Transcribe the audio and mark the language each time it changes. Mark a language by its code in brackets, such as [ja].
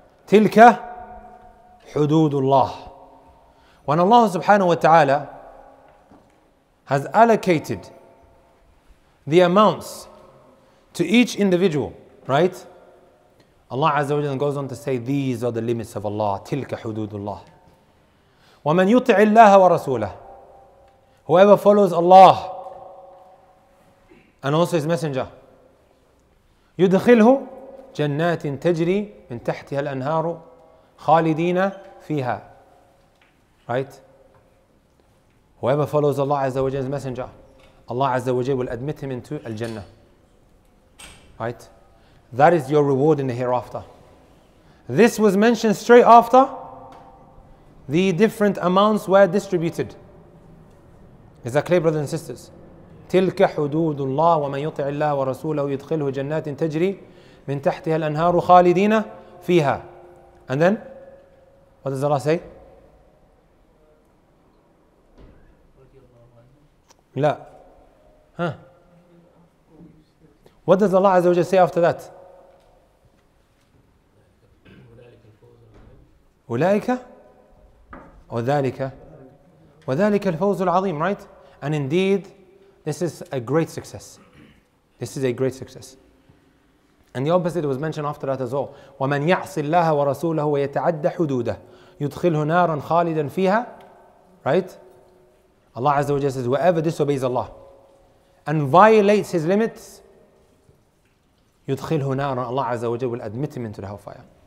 [ar] Tilka hududullah. [en] When Allah subhanahu wa ta'ala has allocated the amounts to each individual, right? Allah Azza wa Jalla goes on to say, these are the limits of Allah. [ar] Tilka hududullah. وَمَنْ يُطِعِ اللَّهَ وَرَسُولَهُ. [en] Whoever follows Allah and also His Messenger, [ar] يدخله جنات تجري من تحتها الأنهار خالدين فيها. [en] Right? Whoever follows Allah Azza wa Jalla's Messenger, Allah Azza wa Jalla will admit him into Al-Jannah. Right? That is your reward in the hereafter. This was mentioned straight after the different amounts were distributed. Is that clear, brothers and sisters? [ar] تلك حدود الله ومن يطع الله ورسوله يدخله جنات تجري من تحتها الأنهار خالدين فيها. [en] And then, what does Allah say? [ar] لا. Huh? [en] What does Allah عز وجل say after that? [ar] أولئك وذلك وذلك الفوز العظيم, [en] right? And indeed, this is a great success. This is a great success. And the opposite was mentioned after that as well. [ar] وَمَنْ يَعْصِ اللَّهَ وَرَسُولَهُ وَيَتَعَدَّ حُدُودَهُ يُدْخِلْهُ نَارًا خَالِدًا فِيهَا. [en] Right? Allah Azza wa Jalla says, whoever disobeys Allah and violates His limits, [ar] يُدْخِلْهُ نَارًا, [en] Allah Azza wa Jalla will admit him into the hellfire.